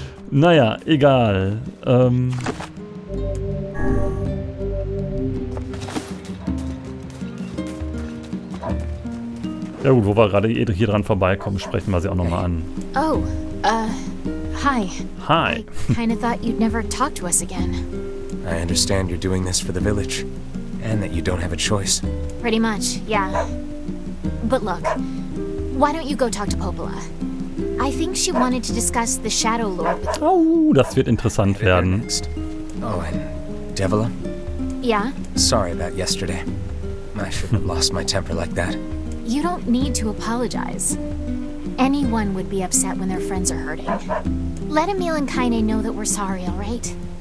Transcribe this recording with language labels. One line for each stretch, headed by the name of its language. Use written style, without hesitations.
German: Naja, egal. Ja gut, wo wir gerade hier dran vorbeikommen, sprechen wir sie auch nochmal an.
English: Oh, hi. Hi. I kind of thought you'd never talk to us again. I understand you're doing this for the village. And that you don't have a choice. Pretty much, yeah. But look, why don't you go talk to Popola? I think she wanted to discuss the Shadow Lord with you.
German: Oh, das wird interessant werden.
English: Oh, and Devila? Yeah? Sorry about yesterday. I shouldn't have lost my temper like that. You don't need to apologize. Anyone would be upset when their friends are hurting. Let Emil and Kaine know that we're sorry, all right?